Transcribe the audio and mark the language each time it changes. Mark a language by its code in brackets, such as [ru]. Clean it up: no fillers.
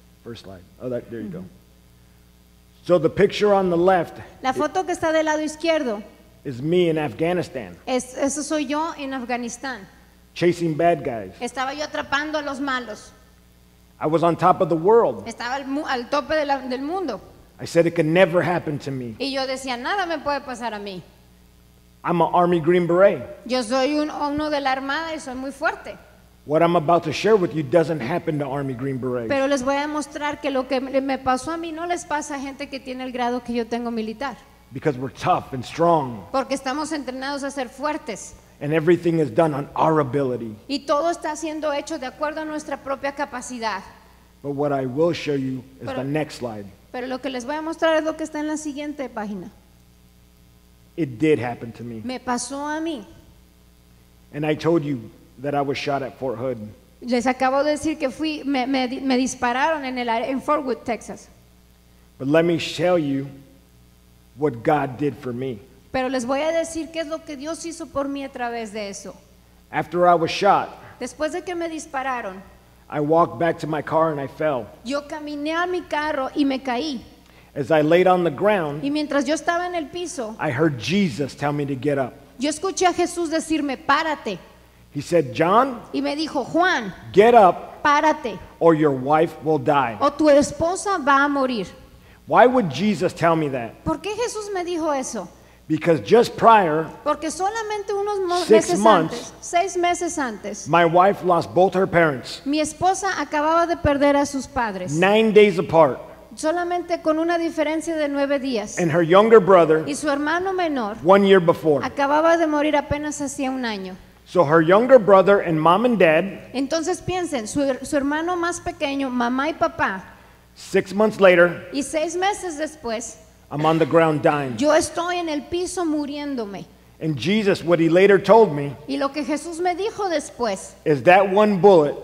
[en] First slide. Oh, that, there you go. So the picture on the left. [es] La foto que está del lado izquierdo. [en] Is me in Afghanistan. [es] Eso soy yo en Afganistán. [en] Chasing bad guys. [es] Estaba yo atrapando a los malos. [en] I was on top of the world. [es] Estaba al tope del mundo. [en] I said it could never happen to me. [es] Y yo decía, nada me puede pasar a mí. [en] I'm an Army Green Beret. [es] Yo soy uno de la Armada y soy muy fuerte. [en] What I'm about to share with you doesn't happen to Army Green Berets. [es] Pero les voy a mostrar que lo que me pasó a mí no les pasa a gente que tiene el grado que yo tengo militar. [en] Because we're tough and strong. [es] Porque estamos entrenados a ser fuertes. [en] And everything is done on our ability. [es] Y todo está siendo hecho de acuerdo a nuestra propia capacidad. [en] But what I will show you is the next slide. [es] Pero lo que les voy a mostrar es lo que está en la siguiente página. [en] It did happen to me. [es] Me pasó a mí. [en] And I told you that I was shot at Fort Hood. [es] Les acabo de decir que fui me dispararon en el en Fort Hood, Texas. [en] But let me tell you what God did for me. [es] Pero les voy a decir qué es lo que Dios hizo por mí a través de eso. [en] After I was shot. [es] Después de que me dispararon. [en] I walked back to my car and I fell. [es] Yo caminé a mi carro y me caí. [en] As I laid on the ground. [es] Y mientras yo estaba en el piso. [en] I heard Jesus tell me to get up. [es] Yo escuché a Jesús decirme, párate. [en] He said, John, [es] y me dijo, Juan, [en] get up, [es] párate, [en] or your wife will die. [es] O tu esposa va a morir. [en] Why would Jesus tell me that? [es] ¿Por qué Jesús me dijo eso? [en] Because just prior, [es] porque solamente unos seis meses antes, [en] my wife lost both her parents. [es] Mi esposa acababa de perder a sus padres. [en] 9 days apart. [es] Solamente con una diferencia de 9 días. [en] And her younger brother, [es] y su hermano menor, [en] 1 year before, [es] acababa de morir apenas hacía un año. [en] So her younger brother and mom and dad. [es] Entonces piensen, su hermano más pequeño, mamá y papá. [en] 6 months later. [es] Y 6 meses después. [en] I'm on the ground dying. [es] Yo estoy en el piso muriéndome. [en] And Jesus, what he later told me. [es] Y lo que Jesús me dijo después. [en] Is that one bullet.